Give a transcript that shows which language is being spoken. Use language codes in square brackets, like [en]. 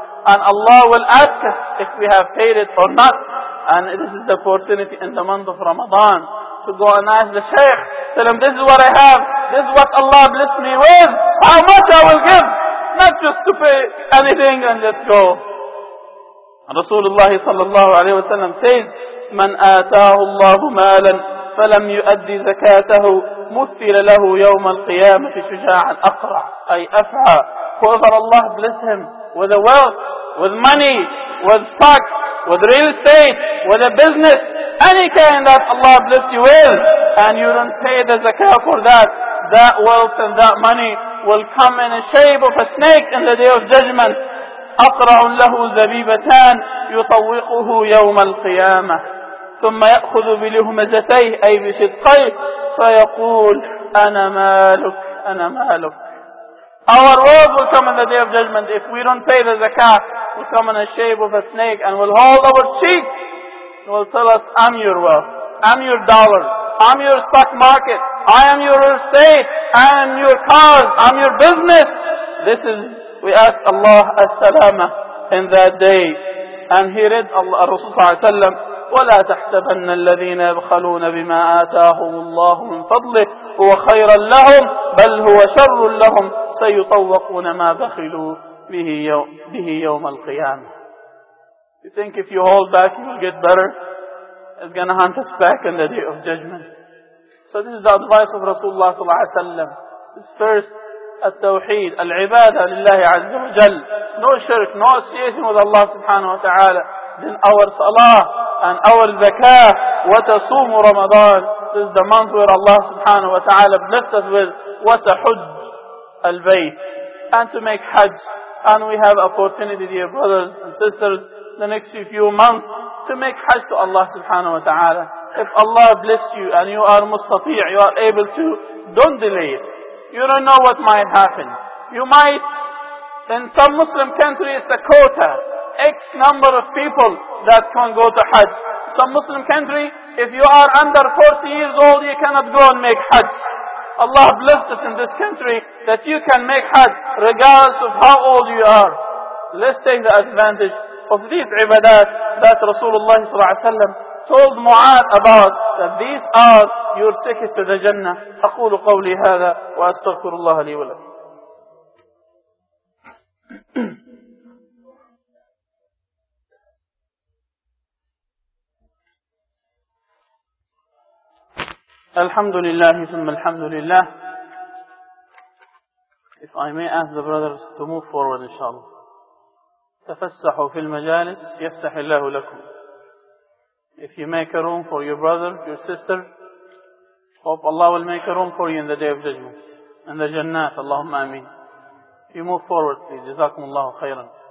[en] And Allah will ask us if we have paid it or not. And this is the opportunity in the month of Ramadan to go and ask the shaykh, tell him, this is what I have, this is what Allah blessed me with, how much I will give. Not just to pay anything and just go. [ar] Rasulullah sallallahu alayhi wa sallam says, مَنْ آتَاهُ اللَّهُ مَالًا فَلَمْ يُؤَدِّ زَكَاتَهُ مُثِّلَ لَهُ يَوْمَ الْقِيَامَةِ شُجَاعًا أَقْرَعَ أي أَفْعَى. [en] Whoever Allah bless him with the wealth, with money, with stocks, with real estate, with a business, any kind that Allah bless you with, and you don't pay the zakah for that, that wealth and that money will come in a shape of a snake in the day of judgment. [ar] أَقْرَعٌ لَهُ زَبِيبَتَانْ يُطَوِّقُهُ يَوْمَ الْقِيَامَةِ ثُمَّ يَأْخُذُ بِلِهُمَزَتَيْهِ أي بِشِدْقَيْهِ فَيَقُولُ أَنَا مَالُكُ أَنَا مَالُكُ. [en] Our world will come in the day of judgment. If we don't pay the zakat, we'll come in a shape of a snake and we'll hold our cheeks and we'll tell us, I'm your wealth, I'm your dollar, I'm your stock market, I am your real estate, I am your cars, I am your business. This is, we ask Allah as-salama in that day. And he read [ar] Allah, Rasul sallallahu alayhi wa sallam, وَلَا تَحْسَبَنَّ الَّذِينَ يَبْخَلُونَ بِمَا آتَاهُمُ اللَّهُ مِنْ فَضْلِهِ هُوَ خَيْرًا لَهُمْ بَلْ هُوَ شَرٌ لَهُمْ سَيُطَوَّقُونَ مَا بَخِلُوا بِهِ يَوْمَ الْقِيَامَةِ. [en] You think if you hold back you will get better? It's going to hunt us back in the day of judgment. So this is the advice of Rasulullah [ar] صلى الله عليه وسلم. [en] This first, [ar] التوحيد, العبادة لله عز وجل. [en] No shirk, no association with Allah subhanahu wa ta'ala. Then our salah and our zakah. [ar] وتصوم رمضان. [en] This is the month where Allah subhanahu wa ta'ala blessed us with. [ar] وتحج البيت. [en] And to make hajj. And we have opportunity, dear brothers and sisters, the next few months to make hajj to Allah subhanahu wa ta'ala. If Allah bless you and you are mustati', you are able to, don't delay it. You don't know what might happen. You might, in some Muslim country it's a quota, X number of people that can go to hajj. Some Muslim country, if you are under 40 years old, you cannot go and make hajj. Allah blessed us in this country that you can make Hajj regardless of how old you are. Let's take the advantage of these ibadat that Rasulullah told Mu'adh about, that these are your ticket to the Jannah. [ar] أقول قولي هذا وأستغفر الله لي ولك. الحمد لله ثم الحمد لله. [en] If I may ask the brothers to move forward inshallah. [ar] تفسحوا في المجالس يفسح الله لكم. [en] If you make a room for your brother, your sister, hope Allah will make a room for you in the day of judgment. In the Jannat, Allahumma Ameen. If you move forward, please. Jazakum Allah khairan.